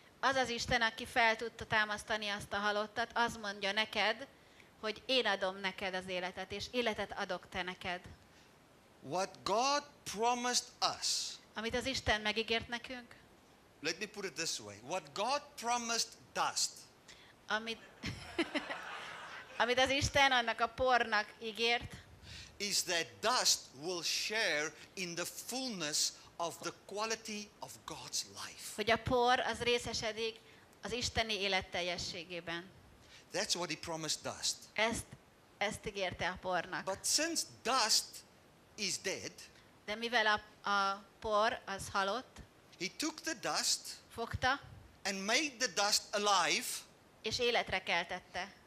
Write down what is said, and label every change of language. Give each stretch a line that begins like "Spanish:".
Hungarian: Az az Isten, aki fel tudta támasztani azt a halottat, az mondja neked, hogy én adom neked az életet, és életet adok te neked.
English: What God promised us.
Hungarian: Amit az Isten megígért nekünk.
English: Let me put it this way. What God promised dust.
Hungarian: Amit az Isten annak a pornak ígért.
English: Is that dust will share in the fullness of the quality of God's life.
Hungarian: Hogy a por az részesedik az isteni élet teljességében.
English: That's what he promised dust.
Hungarian: Ezt ígérte a pornak.
English: But since dust is dead,
Hungarian: de mivel a por az halott,
English: he took the dust,
Hungarian: fogta,
English: and made the dust alive,
Hungarian: és életre keltette.